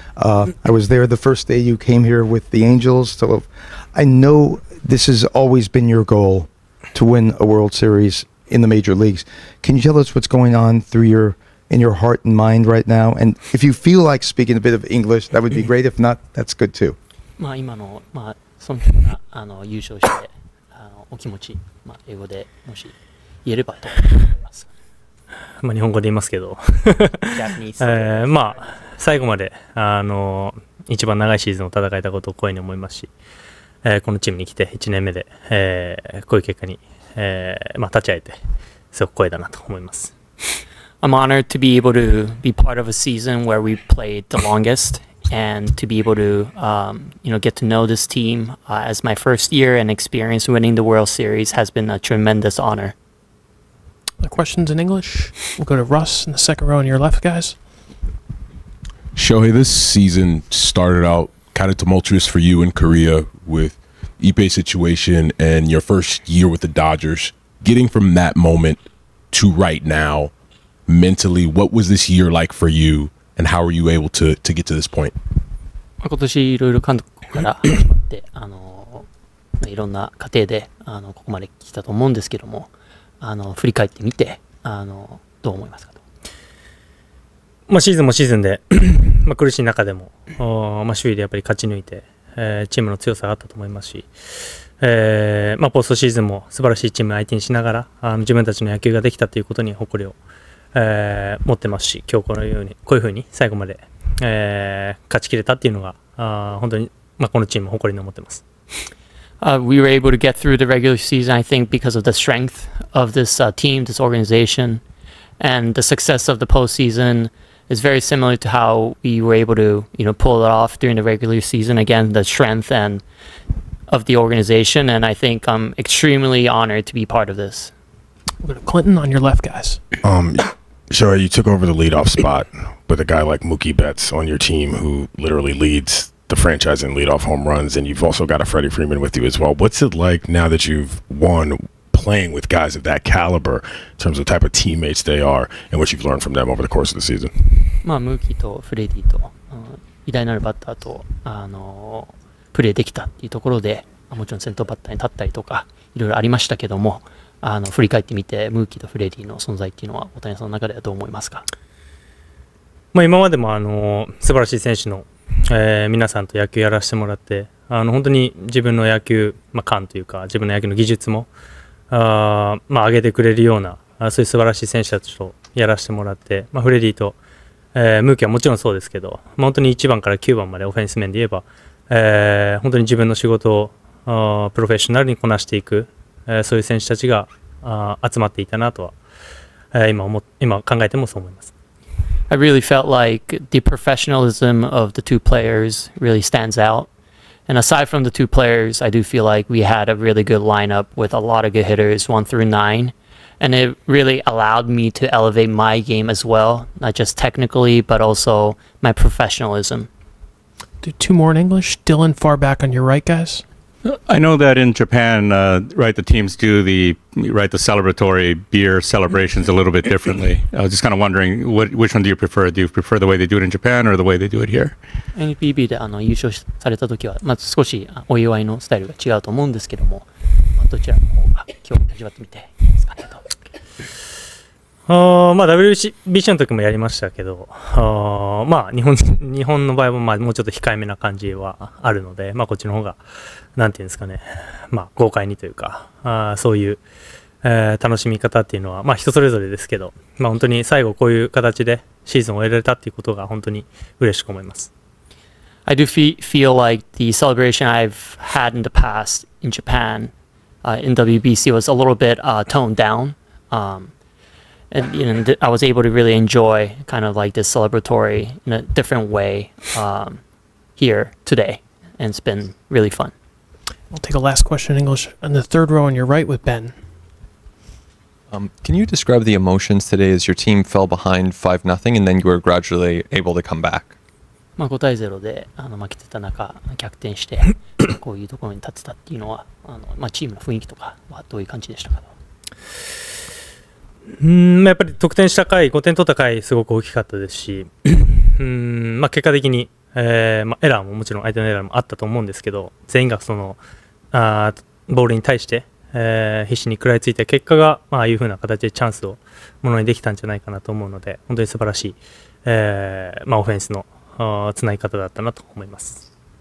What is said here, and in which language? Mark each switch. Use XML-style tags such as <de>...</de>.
<en>I was there the first day you came here with the Angels. So I know this has always been your goal, to win a World Series in the major leagues. Can you tell us what's going on through your in your heart and mind right now? And if you feel like speaking a bit of English, that would be great. If not, that's good too.</en> <ja>まあ今のまあその辺が優勝してお気持ち、まあ、英語でもし言えればと思います。まあ日本語で言いますけど、</ja> <en>Japanese.</en> <ja>まあ最後まで一番長いシーズンを戦えたことを光栄に思いますし、このチームに来て1年目で、こういう結果に、まあ立ち会えてすごく光栄だなと思います。</ja> <en>I'm honored to be able to be part of a season where we played the longest. And to be able to, you know, get to know this team as my first year and experience winning the World Series has been a tremendous honor. The questions in English. We'll go to Russ in the second row on your left, guys. Shohei, this season started out kind of tumultuous for you in Korea with Ipe's situation and your first year with the Dodgers. Getting from that moment to right now, mentally, what was this year like for you? And how are you able to get to this point?</en> <ja>今年いろいろ監督から始まって、いろんな過程でここまで来たと思うんですけども、振り返ってみて、どう思いますかと。まあシーズンもシーズンで、まあ苦しい中でも、まあ周囲でやっぱり勝ち抜いて、チームの強さがあったと思いますし、まあポストシーズンも素晴らしいチーム相手にしながら、自分たちの野球ができたということに誇りを。持ってますし、今日このようにこういうふうに最後まで、勝ち切れたっていうのが本当に、まあ、このチームを誇りに思ってます。</ja> <en>We were able to get through the regular season, I think, because of the strength of this team, this organization, and the success of the postseason is very similar to how we were able to, you know, pull it off during the regular season. Again, the strength and of the organization, and I think I'm extremely honored to be part of this. We're going to Clinton on your left, guys. Shohei, you took over the leadoff spot with a guy like Mookie Betts on your team who literally leads the franchise in leadoff home runs, and you've also got a Freddie Freeman with you as well. What's it like now that you've won playing with guys of that caliber in terms of the type of teammates they are and what you've learned from them over the course of the season?</en> <ja>まあ、Mookie と Freddie と、偉大なるバッターと、プレーできたっていうところで、もちろん先頭バッターに立ったりとか、いろいろありましたけども、振り返ってみてムーキーとフレディの存在っていうのは大谷さんの中ではどう思いますか。まあ、今までも素晴らしい選手の、皆さんと野球やらせてもらって本当に自分の野球、まあ、感というか自分の野球の技術もまあ、上げてくれるようなそういう素晴らしい選手たちとやらせてもらって、まあ、フレディと、ムーキーはもちろんそうですけど、まあ、本当に1番から9番までオフェンス面で言えば、本当に自分の仕事をプロフェッショナルにこなしていくそういう選手たちが集まっていたなとは今考えてもそう思います。</ja> <en>I really felt like the professionalism of the two players really stands out. And aside from the two players, I do feel like we had a really good lineup with a lot of good hitters, 1 through 9. And it really allowed me to elevate my game as well, not just technically, but also my professionalism. Do two more in English. Dylan, far back on your right, guys. I know that in Japan, right, the teams do the right the celebratory beer celebrations a little bit differently. I was just kind of wondering, which one do you prefer? Do you prefer the way they do it in Japan or the way they do it here?</en> <ja>NPB で優勝された時は、まあ、少しお祝いのスタイルが違うと思うんですけども、まあ、どちらの方が今日味わってみて、ありがとう。まあ、WBC の時もやりましたけど、まあ、日本の場合もまあもうちょっと控えめな感じはあるので、まあ、こっちの方がなんていうんですかね、まあ、豪快にというか、そういう、楽しみ方っていうのは、まあ、人それぞれですけど、まあ、本当に最後こういう形でシーズンを終えられたっていうことが本当に嬉しく思います。</ja> <en>I do feel like the celebration I've had in the past in Japan, in WBC was a little bit, toned down. And you know, I was able to really enjoy kind of like this celebratory in a different way here today. And it's been really fun. I'll take a last question in English. In the third row on your right with Ben. Can you describe the emotions today as your team fell behind 5-0 and then you were gradually able to come back?</en> <ja>まあ、5対0で負けてた中、逆転してこういうところに立てたっていうのは、まあ、チームの雰囲気とかはどういう感じでしたか？やっぱり得点した回、5点取った回すごく大きかったですし、まあ結果的に、まあエラーももちろん相手のエラーもあったと思うんですけど、全員がそのボールに対して、必死に食らいついた結果が、まああいう風な形でチャンスをものにできたんじゃないかなと思うので、本当に素晴らしい、まあオフェンスの繋ぎ方だったなと思います。</ja>